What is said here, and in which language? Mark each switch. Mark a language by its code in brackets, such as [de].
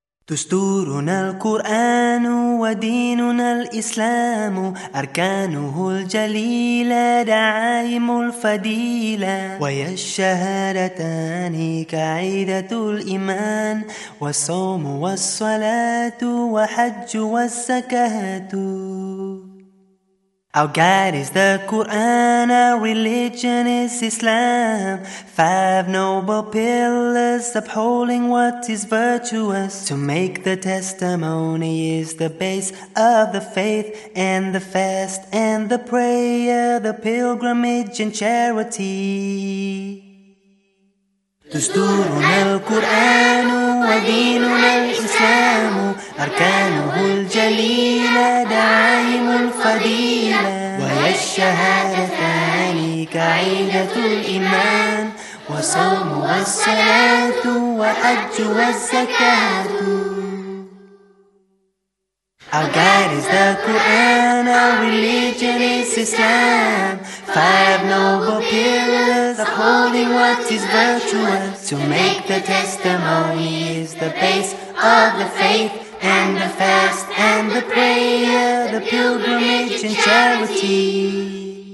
[ar] دستورنا القرآن وديننا الإسلام أركانه الجليلة دعائم الفضيلة والشهادتان كعيدة الإيمان والصوم والصلاة وحج والزكاة. [en] Our guide is the Quran, our religion is Islam. Five noble pillars upholding what is virtuous. To make the testimony is the base of the faith, and the fast and the prayer, the pilgrimage and charity. [ar] دستورنا القرآن وديننا الإسلام أركانه الجليلة دعائم الفضيلة والشهادتان كعيدة الإيمان وصوم والصلاة وحج والزكاة. [en] Our guide is the Quran, our religion is Islam. Five noble pillars upholding what is virtuous. To make the testimony is the base of the faith, and the fast and the prayer, the pilgrimage and charity.